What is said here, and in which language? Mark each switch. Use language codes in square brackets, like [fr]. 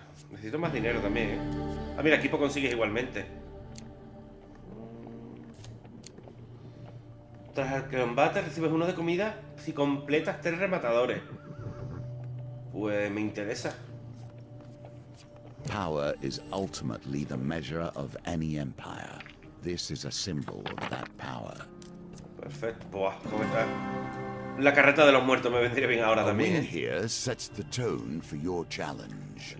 [es] Necesito más dinero también, ¿eh? Ah, mira, equipo consigues igualmente. Tras el combate recibes uno de comida si completas 3 rematadores. Pues me interesa. [en] Power is ultimately the measure of any empire. This is a symbol of that power. [es] Perfecto. Buah, ¿cómo está? La carreta de los muertos me vendría bien ahora también. [en] Win here sets the tone for your challenge.